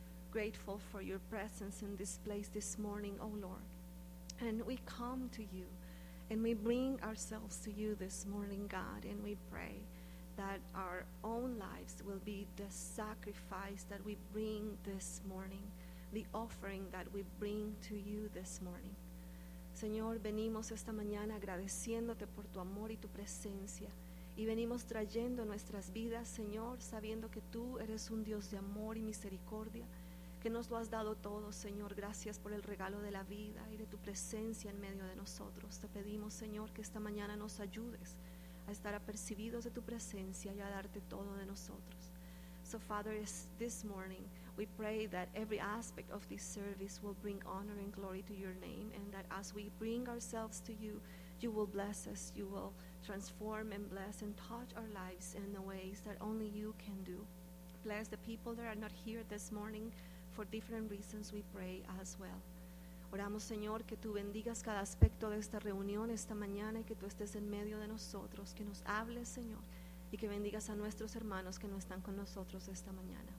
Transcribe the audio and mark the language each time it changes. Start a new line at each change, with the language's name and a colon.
English: Grateful for Your presence in this place this morning, O Lord. And we come to You And we bring ourselves to you this morning, God, and we pray that our own lives will be the sacrifice that we bring this morning, the offering that we bring to you this morning.
Spanish: Señor, venimos esta mañana agradeciéndote por tu amor y tu presencia. Y venimos trayendo nuestras vidas, Señor, sabiendo que tú eres un Dios de amor y misericordia, que nos lo has dado todo, Señor. Gracias por el regalo de la vida y de tu presencia en medio de nosotros. Te pedimos, Señor, que esta mañana nos ayudes a estar apercibidos de tu presencia y a darte todo de nosotros.
English: So, Father, this morning we pray that every aspect of this service will bring honor and glory to your name, and that as we bring ourselves to you, you will bless us, you will transform and bless and touch our lives in the ways that only you can do. Bless the people that are not here this morning for different reasons, we pray as well.
Spanish: Oramos, Señor, que tú bendigas cada aspecto de esta reunión esta mañana y que tú estés en medio de nosotros, que nos hables, Señor, y que bendigas a nuestros hermanos que no están con nosotros esta mañana.